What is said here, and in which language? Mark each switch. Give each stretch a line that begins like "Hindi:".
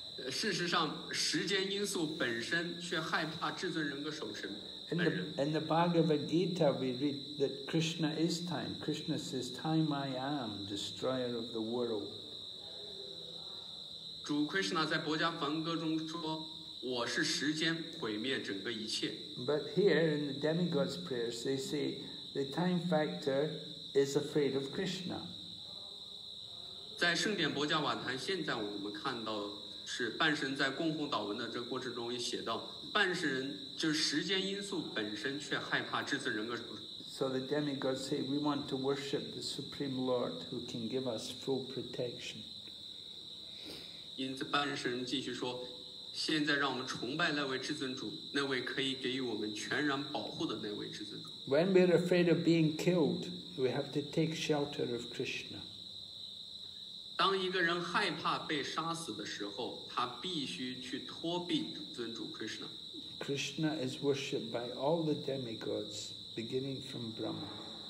Chinese: 事实上，时间因素本身却害怕至尊人格守神。
English: In the Bhagavad Gita, we read that Krishna is time. Krishna says, "Time I am, destroyer of the world."
Chinese: 主 Krishna 在博迦梵歌中说，我是时间，毁灭整个一切。
English: But here in the demigods' prayers, they say the time factor is afraid of Krishna.
Chinese: 在圣殿博迦瓦坛，现在我们看到是半神在供奉祷文的这个过程中也写到。半世人就是时间因素本身却害怕至尊人格。
English: So the demigods say we want to worship the Supreme Lord who can give us full protection.
Chinese: 因此半世人继续说，现在让我们崇拜那位至尊主，那位可以给予我们全然保护的那位至尊主。
English: When we're afraid of being killed, we have to take shelter of Krishna.
Chinese: 当一个人害怕被杀死的时候，他必须去托庇尊主 Krishna。
English: Krishna is worshipped by all the demigods, beginning from Brahma.